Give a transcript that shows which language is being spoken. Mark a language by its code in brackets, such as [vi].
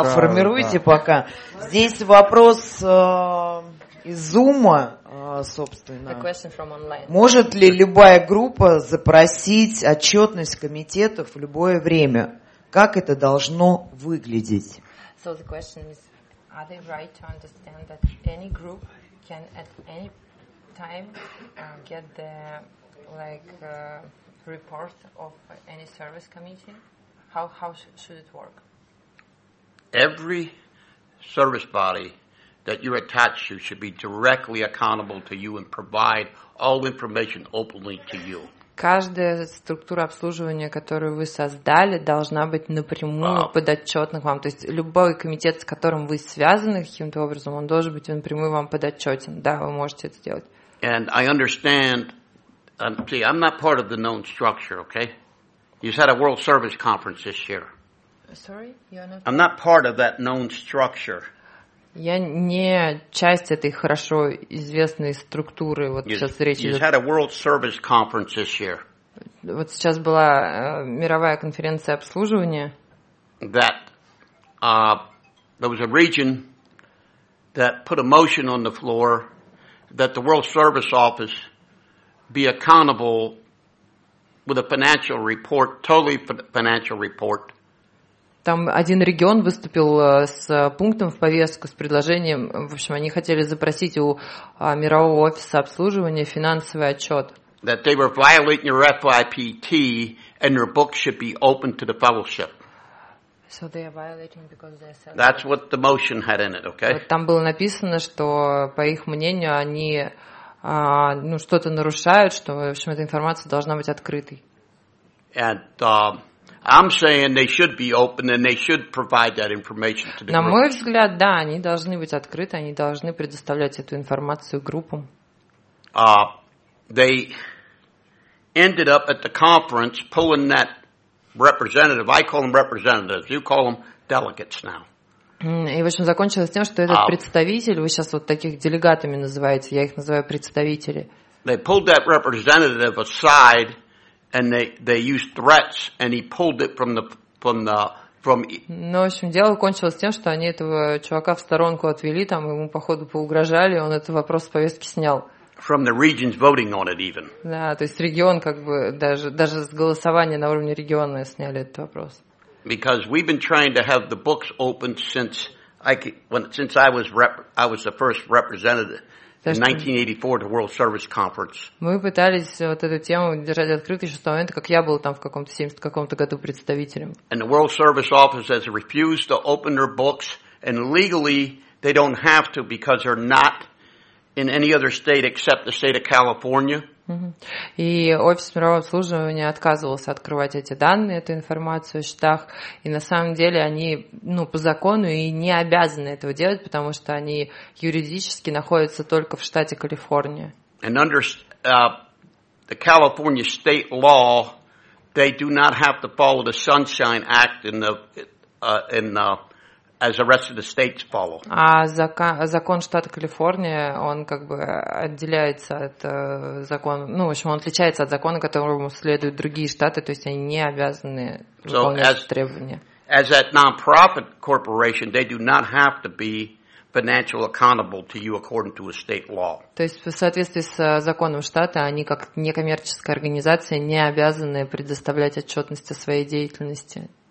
[ru] А, формируйте пока. Здесь вопрос из Зума, собственно. [en] A question from online. [ru] Может ли любая группа запросить отчетность комитетов в любое время? Как это должно выглядеть? [en] So the question is, are they right to understand that any group can at any time get the like report of any service committee? How should it work? Every service body that you're attached to should be directly accountable to you and provide all information openly to you. [ru] Каждая структура обслуживания, которую вы создали, должна быть напрямую подотчетна к вам. То есть любой комитет, с которым вы связаны каким-то образом, он должен быть напрямую вам подотчетен. Да, вы можете это сделать. [en] And I understand. See, I'm not part of the known structure, okay? You just had a World Service Conference this year. Sorry, you're not. I'm not part of that known structure. [ru] Я не часть этой хорошо известной структуры. Вот сейчас речь идет. [en] You had a World Service Conference this year. [ru] Вот сейчас была мировая конференция обслуживания. [en] That there was a region that put a motion on the floor that the World Service Office be accountable with a financial report, totally financial report. [ru] Там один регион выступил с пунктом в повестку, с предложением. В общем, они хотели запросить у Мирового офиса обслуживания финансовый отчет. [en] That they were violating your FIPT and your book should be open to the fellowship. So they are violating because they said. That's what the motion had in it, okay? [ru] Вот там было написано, что по их мнению они ну, что-то нарушают, что, в общем, эта информация должна быть открытой. [en] And, I'm saying they should be open and they should provide that information to the group. [ru] На мой взгляд, да, они должны быть открыты, они должны предоставлять эту информацию группам. [en] They ended up at the conference pulling that representative. I call them representatives. You call them delegates now. [ru] И, в общем, закончилось тем, что этот представитель, вы сейчас вот таких делегатами называете, я их называю представители. [en] They pulled that representative aside. And they used threats, and he pulled it from the. [ru] Ну, в общем, дело кончилось тем, что они этого чувака в сторонку отвели, там ему походу поугрожали, он этот вопрос с повестки снял. [en] From the regions voting on it even. [ru] Да, то есть регион как бы даже с голосования на уровне региона сняли этот вопрос. [en] Because we've been trying to have the books open since I was the first representative. In 1984, the World Service Conference. [ru] Мы пытались вот эту тему держать открытой еще с того момента, как я был там в каком-то 70-каком-то году представителем. [en] And the World Service Office has refused to open their books, and legally they don't have to because they're not in any other state except the state of California. [ru] И офис мирового обслуживания отказывался открывать эти данные, эту информацию о счетах. И на самом деле они, ну, по закону и не обязаны этого делать, потому что они юридически находятся только в штате Калифорния. [en] And under the California state law, they do not have to follow the Sunshine Act as the rest of the states follow. [ru] А закон штата Калифорния, он как бы отделяется от закона, ну, в общем, он отличается от закона, которому следуют другие штаты, то есть они не обязаны выполнять требования. [en] As a non-profit corporation, they do not have to be financially accountable to you according to a state law. [ru] То есть в соответствии с законом штата, они как некоммерческая организация не обязаны предоставлять отчетность о своей деятельности.